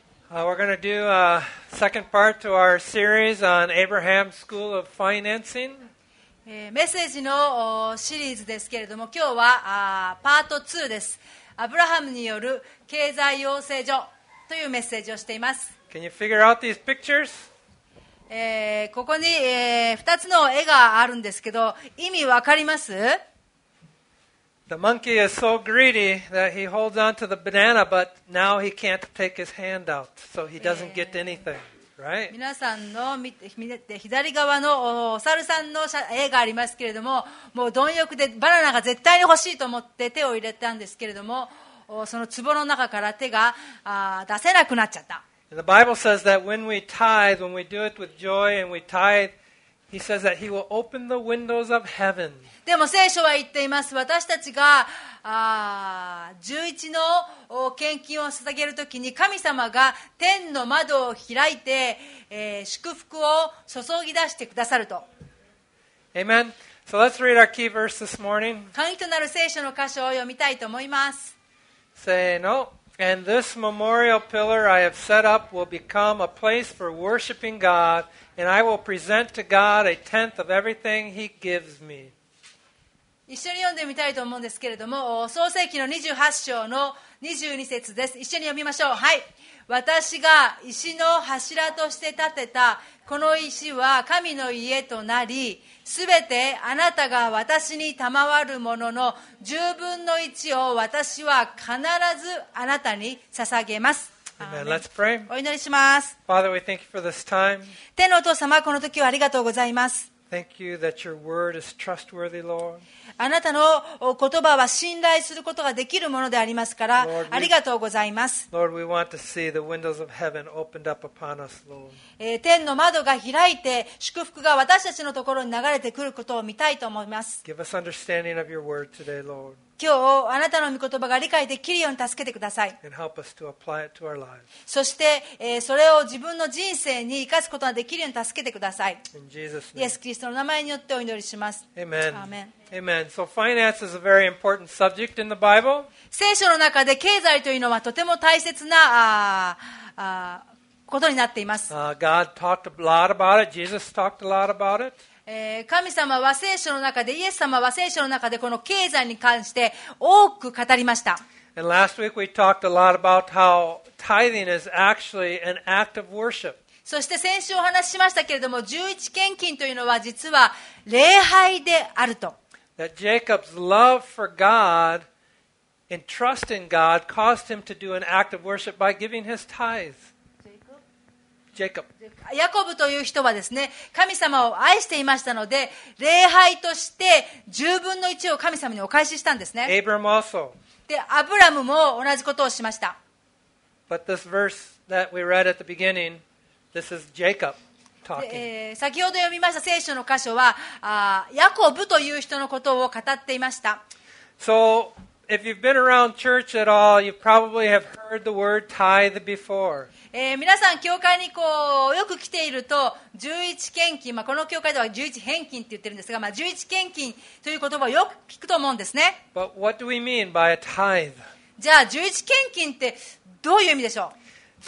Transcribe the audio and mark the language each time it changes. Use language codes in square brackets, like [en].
[en] We're going to do a second part to our series on Abraham's School of Financing. [ja] メッセージのシリーズですけれども、今日はパート2です。アブラハムによる経済養成所というメッセージをしています。 [en] Can you figure out these pictures? [ja] ここに2つの絵があるんですけど、意味わかります？ [en] The monkey is so greedy that he holds on to the banana, but now he can't take his hand out, so he doesn't get anything, right? [ja] 皆さんの左側のお猿さんの絵がありますけれども、もう貪欲でバナナが絶対に欲しいと思って手を入れたんですけれども、その壺の中から手が出せなくなっちゃった。 [en] And the Bible says that when we tithe, when we do it with joy and we tithe,He says that he will open the windows of heaven. [ja] でも聖書は言っています。私たちが11の献金を捧げるときに神様が天の窓を開いて、祝福を注ぎ出してくださると。 [en] Amen. So let's read our key verse this morning. [ja] 鍵となる聖書の箇所を読みたいと思います。せーの。 [en] And this memorial pillar I have set up will become a place for worshiping God, and I will present to God a tenth of everything He gives me. [ja] 一緒に読んでみたいと思うんですけれども、創世記の28章の22節です。一緒に読みましょう。はい。私が石の柱として建てたこの石は神の家となり、すべてあなたが私に賜るものの十分の一を私は必ずあなたに捧げます。 [en] Amen. Let's pray. [ja] お祈りします。 [en] Father, we thank you for this time. [ja] 天のお父様、この時はありがとうございます。 [en] Thank you that your word is trustworthy, Lord. [ja] あなたの言葉は信頼することができるものでありますから、Lord, ありがとうございます。 [en] Lord, we want to see the windows of heaven opened up upon us, Lord. [ja] 天の窓が開いて祝福が私たちのところに流れてくることを見たいと思います。 [en] Give us understanding of your word today, Lord. [ja] 今日あなたの御言葉が理解できるように助けてください。 [en] And help us to apply it to our lives. [ja] そして、それを自分の人生に生かすことができるように助けてください。 [en] In Jesus' name. [ja] イエス・キリストの名前によってお祈りします。 [en] Amen. Amen. Amen. So finance is a very important subject in the Bible. [ja] 聖書の中で経済というのはとても大切なことになっています。 [en] God talked a lot about it. Jesus talked a lot about it. [ja] 神様は聖書の中で、イエス様は聖書の中でこの経済に関して多く語りました。 [en] And last week we talked a lot about how tithing is actually an act of worship. [ja] そして先週お話ししましたけれども、11献金というのは実は礼拝であると。 [en] That Jacob's love for God and trust in God caused him to do an act of worship by giving his tithes. Jacob. [ja] ヤコブという人はですね、神様を愛していましたので、礼拝として10分の1を神様にお返ししたんですね。 [en] Abram also. [ja] で、アブラムも同じことをしました。 [en] But this verse that we read at the beginning,This is Jacob talking. [ja] 先ほど読みました聖書の箇所はヤコブという人のことを語っていました。 [en] So, if you've been around church at all, you probably have heard the word tithe before. [ja] 皆さん教会にこうよく来ていると11献金、まあ、この教会では11返金って言ってるんですが、まあ、11献金という言葉をよく聞くと思うんですね。 [en] But what do we mean by a tithe? [ja] じゃあ11献金ってどういう意味でしょう?